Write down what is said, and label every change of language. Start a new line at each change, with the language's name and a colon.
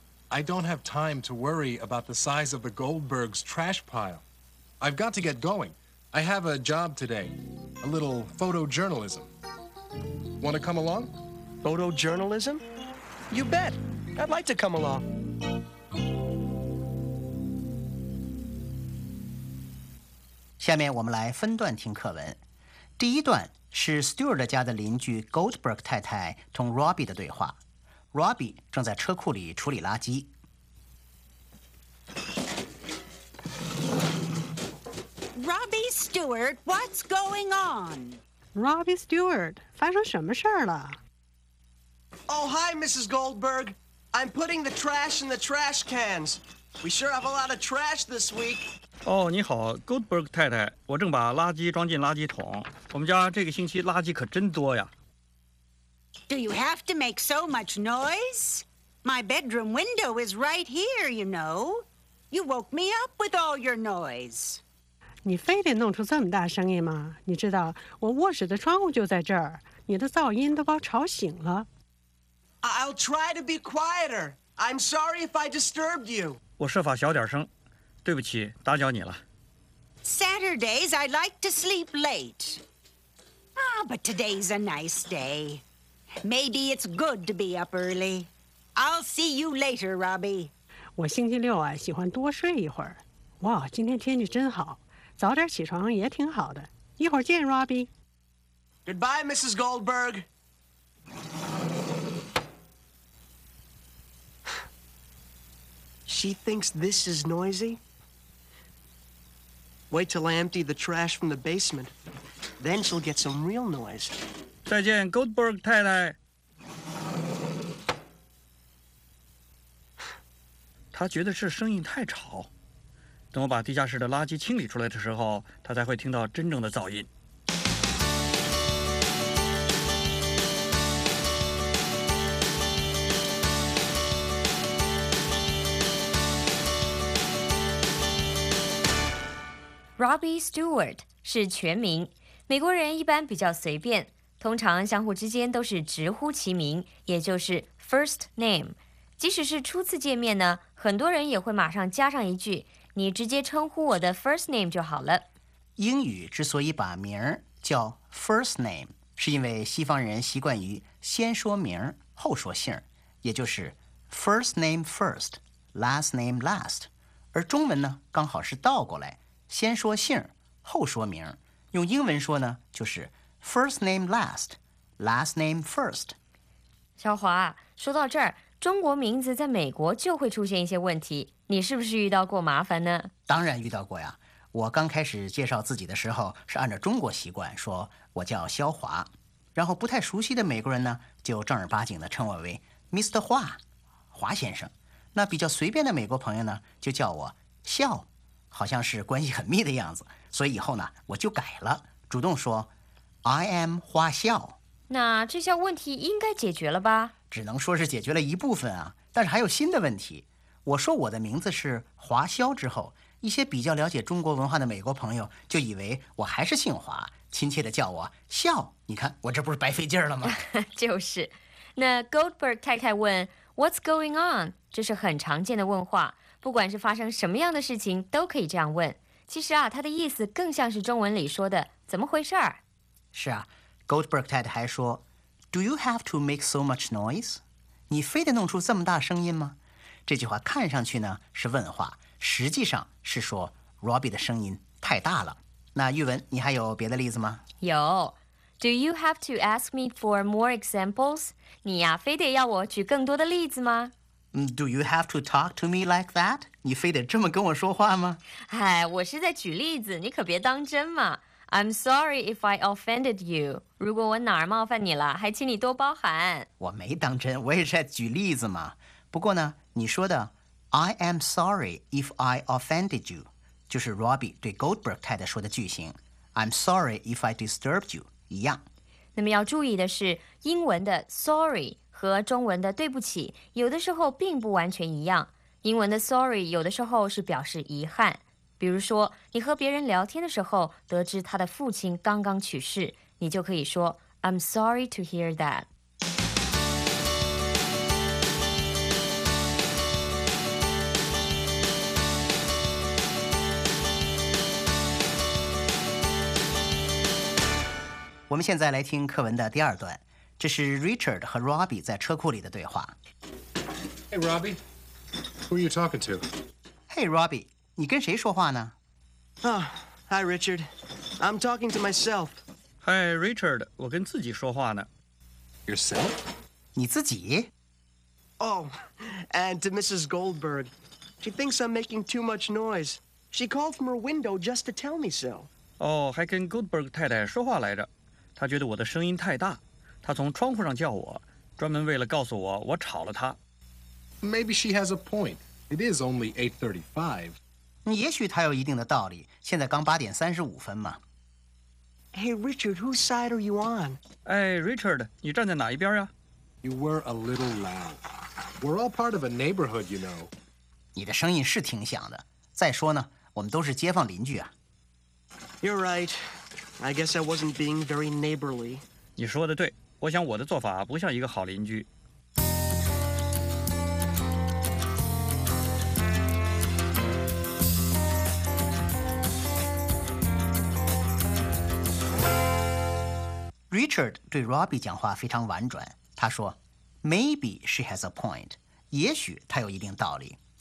English: I don't have time to worry about the size of the Goldbergs' trash pile. I've got to get going. I have a job today. A little photojournalism. Want to come along? Photojournalism? You bet. I'd like to come along.
Chinese: 下面我们来分段听课文。第一段是 Stewart 家的邻居 Goldberg 太太同 Robbie 的对话。 Robbie 正在车库里处理垃圾。
English: Robbie Stewart, what's going on?
Chinese: Robbie Stewart, 发生什么事了？
English: Oh, hi, Mrs. Goldberg. I'm putting the trash in the trash cans. We sure have a lot of trash this week.
Chinese: Oh, 你好 ,Goldberg 太太。我正把垃圾装进垃圾桶。我们家这个星期垃圾可真多呀。
English: Do you have to make so much noise? My bedroom window is right here, you know. You woke me up with all your noise.
Chinese: 你非得弄出这么大声音吗？你知道我卧室的窗户就在这儿，你的噪音都把我吵醒了。
English: I'll try to be quieter. I'm sorry if I disturbed you.
Chinese: 我设法小点声，对不起，打搅你了。
English: Saturdays I like to sleep late. Ah, but today's a nice day. Maybe it's good to be up early. I'll see you later, Robbie.
Chinese: 我星期六啊，喜欢多睡一会儿。哇，今天天气真好。早点起床也挺好的。一会儿见 ，Robbie。
English: Goodbye, Mrs. Goldberg. She thinks this is noisy. Wait till I empty the trash from the basement. Then she'll get some real noise.
Chinese: 再见 ，Goldberg 太太。她觉得这声音太吵。等我把地下室的垃圾清理出来的时候，他才会听到真正的噪音。 Robbie Stewart 是全名，美国人一般比较随便，通常相互之间都是直呼其名，也就是 first name。即使是初次见面呢，很多人也会马上加上一句。你直接称呼我的 first name 就好了。英语之所以把名儿叫 first name， 是因为西方人习惯于先说名后说姓，也就是
English: first name first， last name last。
Chinese: 而中文呢，刚好是倒过来，先说姓后说名。用英文说呢，就是
English: first name last， last name first。
Chinese: 小华，说到这儿，中国名字在美国就会出现一些问题。你是不是遇到过麻烦呢？当然遇到过呀。我刚开始介绍自己的时候是按照中国习惯说我叫肖华，然后不太熟悉的美国人呢就正儿八经的称我为 Mr. 华，华先生。那比较随便的美国朋友呢就叫我肖，好像是关系很密的样子。所以以后呢我就改了，主动说
English: I am
Chinese: 华肖。那这下问题应该解决了吧？只能说是解决了一部分啊，但是还有新的问题。我说我的名字是华肖之后，一些比较了解中国文化的美国朋友就以为我还是姓华，亲切地叫我肖。你看我这不是白费劲了吗？就是。那 Goldberg 太太问
English: What's going on?
Chinese: 这是很常见的问话，不管是发生什么样的事情都可以这样问。其实啊，他的意思更像是中文里说的怎么回事儿。是啊， Goldberg 太太还说
English: Do you have to make so much noise?
Chinese: 你非得弄出这么大声音吗？这句话看上去呢是问话，实际上是说 Robbie 的声音太大了。那玉文，你还有别的例子吗？有。
English: Do you have to ask me for more examples?
Chinese: 你呀非得要我举更多的例子吗？
English: Do you have to talk to me like that?
Chinese: 你非得这么跟我说话吗？哎，我是在举例子，你可别当真嘛。
English: I'm sorry if I offended you.
Chinese: 如果我哪儿冒犯你了，还请你多包涵。我没当真，我也是在举例子嘛。不过呢，你说的
English: I am sorry if I offended you
Chinese: 就是 Robbie 对 Goldberg 太太说的句型，
English: I'm sorry if I disturbed you
Chinese: 一样。那么要注意的是，英文的 sorry 和中文的对不起有的时候并不完全一样。英文的 sorry 有的时候是表示遗憾，比如说你和别人聊天的时候得知他的父亲刚刚去世，你就可以说
English: I'm sorry to hear that。
Chinese: 我们现在来听课文的第二段，这是 Richard 和 Robbie 在车库里的对话。
English: Hey Robbie, who are you talking to?
Chinese: Hey Robbie, 你跟谁说话呢？
English: 啊、Hi, Richard. I'm talking to myself.
Chinese: Hi, Richard. 我跟自己说话呢。
English: Yourself?
Chinese: 你自己？
English: Oh, and to Mrs. Goldberg. She thinks I'm making too much noise. She called from her window just to tell me so.
Chinese: Oh, 还跟 Goldberg 太太说话来着。她觉得我的声音太大。她从窗户上叫我，专门为了告诉我我吵了她。
English: Maybe she has a point. It is only 8:35.
Chinese: 也许她有一定的道理。现在刚8:35嘛。
English: Hey, Richard, whose side are you on?
Chinese: Hey, Richard, 你站在哪一边呀？
English: You were a little loud. We're all part of a neighborhood, you know.
Chinese: 你的声音是挺响的。再说呢，我们都是街坊邻居啊。
English: You're right. I guess I wasn't being very neighborly.
Chinese: 你说的对，我想我的做法不像一个好邻居。 Richard 对 Robbie 讲话非常婉转，他说
English: Maybe she has a point，
Chinese: 也许她有一定道理。